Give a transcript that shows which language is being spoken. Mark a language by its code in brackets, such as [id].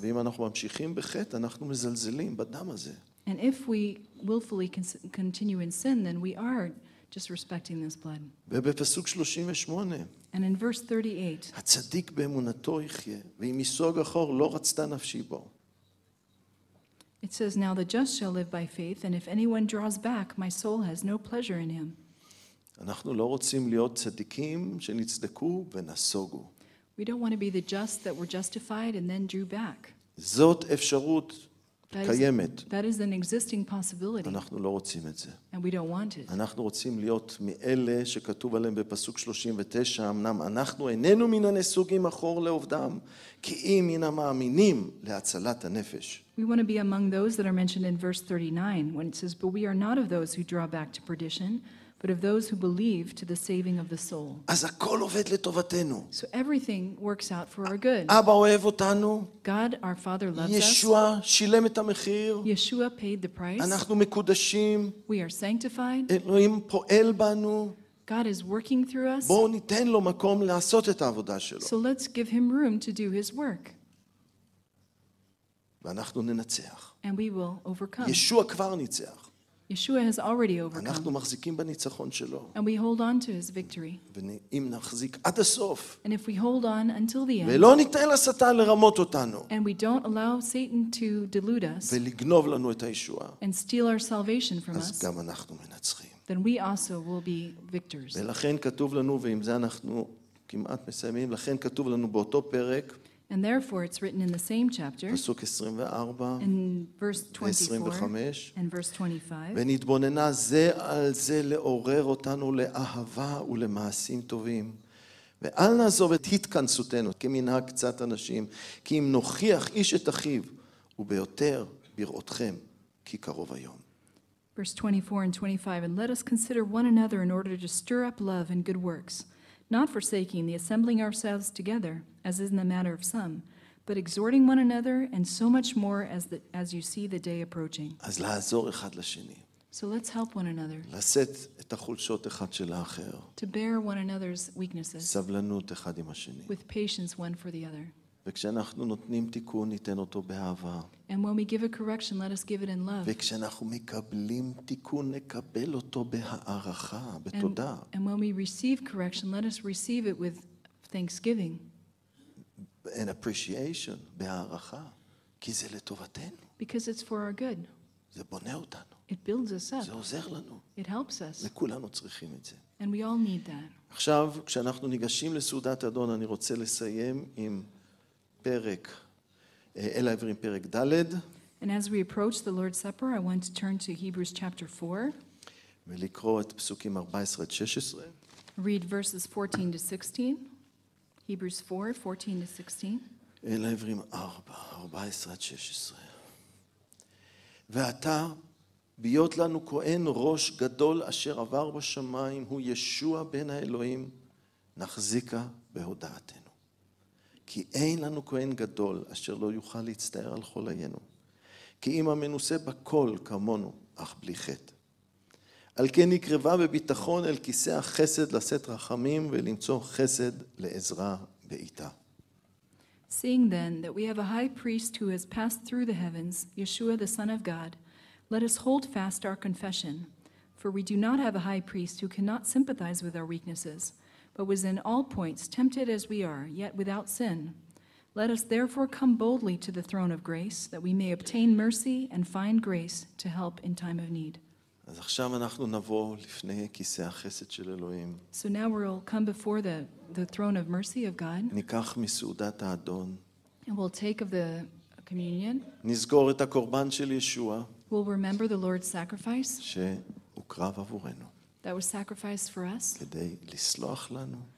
[he] ואם אנחנו ממשיכים בחטא, אנחנו מזלזלים בדם הזה. [en] And if we willfully continue in sin, then we are disrespecting this blood. [he] ובפסוק 38. [en] And in verse 38. [he] הצדיק באמונתו יחיה, ואם יסוג אחור לא רצתה נפשי בו. [en] It says, now the just shall live by faith, and if anyone draws back, my soul has no pleasure in him. [he] אנחנו לא רוצים להיות צדיקים שנצדקו ונסוגו. [en] We don't want to be the just that were justified and then drew back. [he] זאת אפשרות קיימת. [en] That is an existing possibility. [he] אנחנו לא רוצים את זה. [en] And we don't want it. [he] אנחנו רוצים להיות מאלה שכתוב עליהם בפסוק 39, אמנם אנחנו איננו מן הנסוגים אחור לעובדם, כי אם מן המאמינים להצלת הנפש. [en] We want to be among those that are mentioned in verse 39, when it says, but we are not of those who draw back to perdition, but of those who believe to the saving of the soul. [he] אז הכל עובד לטובתנו. [en] So everything works out for our good. [he] אבא אוהב אותנו. [en] God, our Father, loves Yeshua us. [he] ישוע שילם את המחיר. [en] Yeshua paid the price. [he] אנחנו מקודשים. [en] We are sanctified. [he] אלוהים פועל בנו. [en] God is working through us. [he] בואו ניתן לו מקום לעשות את העבודה שלו. [en] So let's give him room to do his work. [he] ואנחנו ננצח. [en] And we will overcome. [he] ישוע כבר ניצח. [en] Yeshua has already overcome. [he] אנחנו מחזיקים בניצחון שלו. [en] And we hold on to his victory. [he] ואם נחזיק עד הסוף. [en] And if we hold on until the end. [he] ולא ניתן לשטן לרמות אותנו. [en] And we don't allow Satan to delude us. [he] ולגנוב לנו את הישועה. [en] And steal our salvation from [he] אז [en] us. [he] אז גם אנחנו מנצחים. [en] then we also will be victors. [he] ולכן כתוב לנו, ועם זה אנחנו כמעט מסיימים, לכן כתוב לנו באותו פרק, [en] and therefore it's written in the same chapter, [he] פסוק 24, [en] in verse 24, and verse [he] 25, ונתבוננה זה על זה לעורר אותנו לאהבה ולמעשים טובים, ואל נעזוב את התכנסותנו, כמנהג קצת אנשים, כי אם נוכיח איש את אחיו, וביותר בראותכם, כי קרוב היום. [en] Verse 24 and 25, and let us consider one another in order to stir up love and good works, not forsaking the assembling ourselves together, as is in the manner of some, but exhorting one another, and so much more as you see the day approaching. [he] אז לעזור אחד לשני. [en] So let's help one another. [he] לשאת את החולשות אחד של האחר. [en] To bear one another's weaknesses. [he] סבלנות אחד עם השני. [en] With patience one for the other. [he] וכשאנחנו נותנים תיקון, ניתן אותו באהבה. [en] And when we give a correction, let us give it in love. [he] וכשאנחנו מקבלים תיקון, נקבל אותו בהערכה, בתודה. [en] And when we receive correction, let us receive it with thanksgiving. And appreciation, [he] בהערכה, כי זה לטובתנו. [en] Because it's for our good. [he] זה בונה אותנו. [en] It builds us up. [he] זה עוזר לנו. [en] It helps us. [he] וכולנו צריכים את זה. [en] And we all need that. [he] עכשיו, כשאנחנו ניגשים לסעודת אדון, אני רוצה לסיים עם פרק אל העברים פרק ד. [en] And as we approach the Lord's Supper, I want to turn to Hebrews chapter 4. [he] ולקרוא את פסוקים 14 עד 16. [en] Read verses 14 to 16. Hebrews 4, 14 to 16. [he] אל העברים 4, 14 עד 16. ואתה, ביות לנו כהן ראש גדול אשר עבר בשמיים, הוא ישוע בן האלוהים, נחזיקה בהודעתנו. כי אין לנו כהן גדול אשר לא יוכל להצטער על חולינו, כי אם המנוסה בכל כמונו, אך בלי חטא. על כן נקרבה בביטחון אל כיסא החסד לשאת רחמים ולמצוא חסד לעזרה בעיתה. [en] Seeing then that we have a high priest who has passed through the heavens, Yeshua the Son of God, let us hold fast our confession. For we do not have a high priest who cannot sympathize with our weaknesses, but was in all points tempted as we are, yet without sin. Let us therefore come boldly to the throne of grace, that we may obtain mercy and find grace to help in time of need. [he] אז עכשיו אנחנו נבוא לפני כיסא החסד של אלוהים. [en] So now we'll come before the throne of mercy of God. [he] ניקח מסעודת האדון. [en] And we'll take of the communion. [he] נזכור את הקורבן של ישוע. [en] We'll remember the Lord's sacrifice. [he] שהוקרב עבורנו. [en] That was sacrificed for us. [he] כדי לסלוח לנו.